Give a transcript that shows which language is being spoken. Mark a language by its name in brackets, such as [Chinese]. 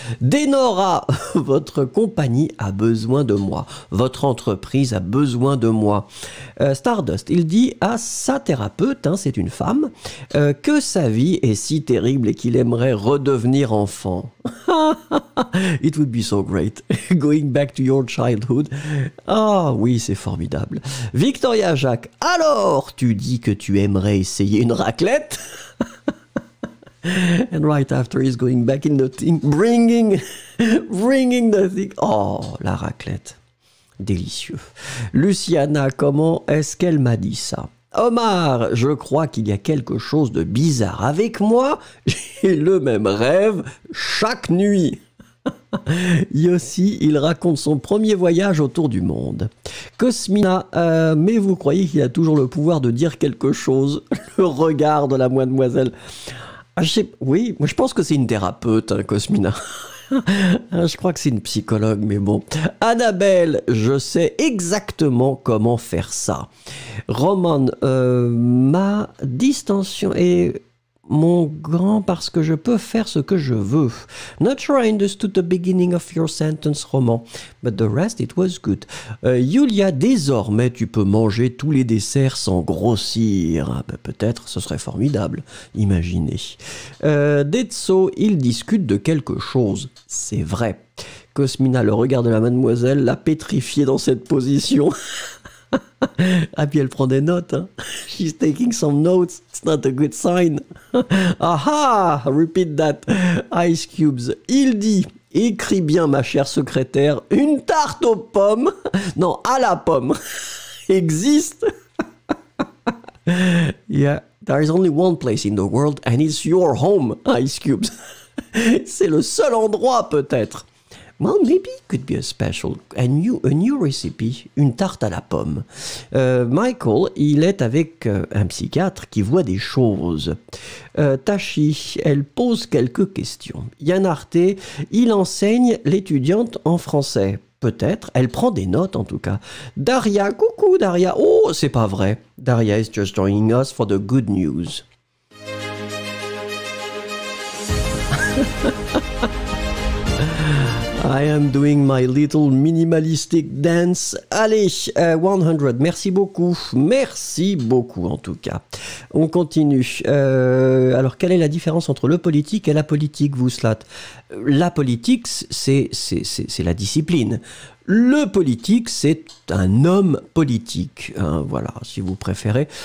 [French] Denora, votre compagnie a besoin de moi. Votre entreprise a besoin de moi. Stardust, il dit à sa thérapeute, hein, c'est une femme, que sa vie est si terrible et qu'il aimerait redevenir enfant. [English] It would be so great. Going back to your childhood. [French] Ah oh, oui, c'est formidable. Victoria Jacques, alors tu dis que tu aimerais essayer une raclette? [English] And right after he's going back in the thing, bringing the thing. [French] Oh, la raclette. Délicieux. Luciana, comment est-ce qu'elle m'a dit ça? Omar, je crois qu'il y a quelque chose de bizarre avec moi. J'ai le même rêve chaque nuit. Yossi, il raconte son premier voyage autour du monde. Cosmina, mais vous croyez qu'il a toujours le pouvoir de dire quelque chose? Le regard de la mademoiselle. Oui, je pense que c'est une thérapeute, hein, Cosmina. Je crois que c'est une psychologue, mais bon. Annabelle, je sais exactement comment faire ça. Roman, ma distension est mon grand parce que je peux faire ce que je veux. [English] Not sure I understood the beginning of your sentence, Roman, but the rest, it was good. [French] Julia, désormais, tu peux manger tous les desserts sans grossir. Ben, peut-être, ce serait formidable, imaginez. Detso, il discute de quelque chose, c'est vrai. Cosmina, le regard de la mademoiselle l'a pétrifié dans cette position. Ah, puis elle prend des notes. [English] Hein. She's taking some notes. It's not a good sign. Aha! Repeat that. Ice Cubes. [French] Il dit, écris bien, ma chère secrétaire, une tarte aux pommes. Non, à la pomme. Existe. [English] Yeah, there is only one place in the world and it's your home, Ice Cubes. [French] C'est le seul endroit, peut-être. [English] Well, maybe it could be a special, a new recipe, [French] une tarte à la pomme. Michael, il est avec un psychiatre qui voit des choses. Tashi, elle pose quelques questions. Yann Arte, il enseigne l'étudiante en français. Peut-être, elle prend des notes en tout cas. Daria, coucou Daria. Oh, c'est pas vrai. [English] Daria is just joining us for the good news. Ha ha ha. I am doing my little minimalistic dance. [French] Allez, 100, merci beaucoup. Merci beaucoup, en tout cas. On continue. Alors, quelle est la différence entre le politique et la politique, vous, Slat? La politique, c'est la discipline. Le politique, c'est un homme politique, hein, voilà, si vous préférez.